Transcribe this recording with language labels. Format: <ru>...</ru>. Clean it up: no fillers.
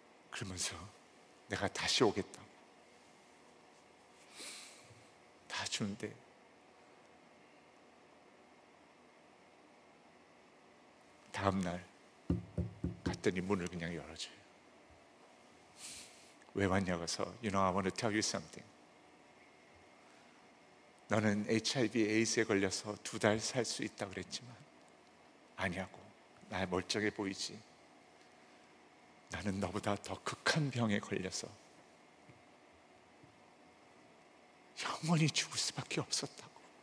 <ko>그러면서 내가 다시 오겠다. 다 주는데 다음날 갔더니 문을 그냥 열어줘요. 왜 왔냐고 해서</ko> <en>You know, I want to tell you something.</en> <ko>너는 HIV, AIDS에 걸려서 두 달 살 수 있다고 그랬지만 아니하고 나 멀쩡해 보이지. 나는 너보다 더 극한 병에 걸려서 영원히 죽을 수밖에 없었다고.</ko>